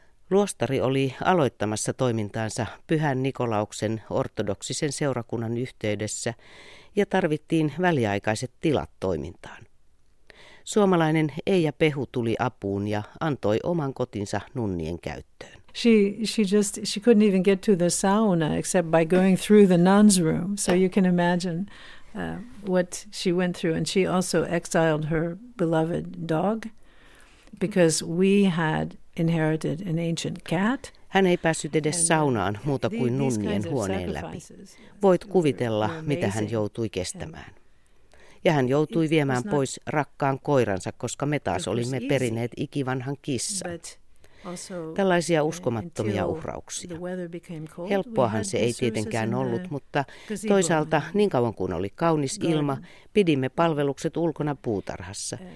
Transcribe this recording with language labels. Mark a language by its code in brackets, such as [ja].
[fi] Luostari oli aloittamassa toimintaansa Pyhän Nikolauksen ortodoksisen seurakunnan yhteydessä ja tarvittiin väliaikaiset tilat toimintaan. Suomalainen Eija Pehu tuli apuun ja antoi oman kotinsa nunnien käyttöön. [en] She couldn't even get to the sauna except by going through the nun's room, so you can imagine what she went through, and she also exiled her beloved dog because we had inherited an ancient cat. [fi] Hän ei päässyt edes saunaan muuta kuin nunnien huoneen läpi. Voit kuvitella, mitä hän joutui kestämään. Ja hän joutui viemään pois rakkaan koiransa, koska me taas olimme perineet ikivanhan kissan. Tällaisia uskomattomia uhrauksia. Helppoahan se ei tietenkään ollut, mutta toisaalta niin kauan kuin oli kaunis ilma, pidimme palvelukset ulkona puutarhassa.